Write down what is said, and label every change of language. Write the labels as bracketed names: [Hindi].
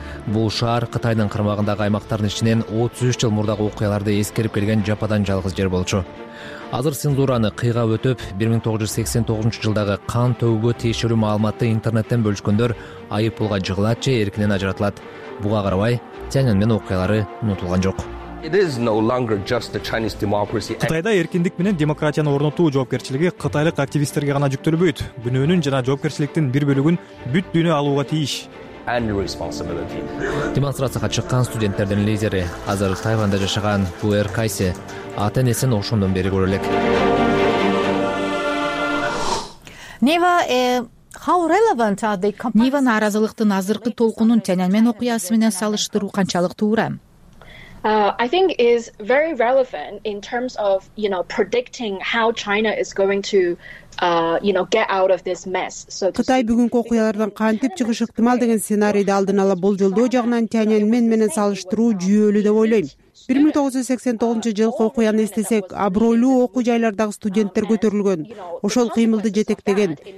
[Kyrgyz] Бул шаар Кытайдын кармагындагы аймактардын ичинен 33 жыл мурдагы окуяларды эскерип келген жападан жалгыз жер болчу. Азыр цензураны кыйга өтүп, 1989 жылдагы кан төгүүгө тиешелүү маалыматты интернеттен бөлүшкөндөр айыппулга жыгылат же эркинен ажыратылат. Буга карабай, Тяньаньмен окуялары унутулган жок. [English] It is no longer just the Chinese democracy. [Kyrgyz] Кытайда эркиндик менен демократияны орнотуу жоопкерчилиги кытайлык активисттерге гана жүктөлбөйт. Күнөөнүн жана жоопкерчиликтин бир бөлүгүн бүт дүйнө алууга тийиш. Демонстрацияга чыккан студенттердин лидери азыр Тайванда жашаган Пуэр Кайси ата-энесин ошондон бери көрө элек. Нива нааразылыктын азыркы толкунун Тяньаньмен окуясы менен салыштыруу канчалык туура? [English] I think is very relevant in terms of, you know, predicting how China is going to get out of this mess. So [Kyrgyz] Кытай бүгүнкү окуялардан кантип чыгышы ыктымал деген сценарийди алдын ала болжолдоо жагынан Тяньаньмен менен салыштыруу жүйөлүү деп ойлойм. 1989 жылкы окуяны эстесек, абройлуу окуу жайлардагы студенттер көтөрүлгөн, ошол кыймылды жетектеген.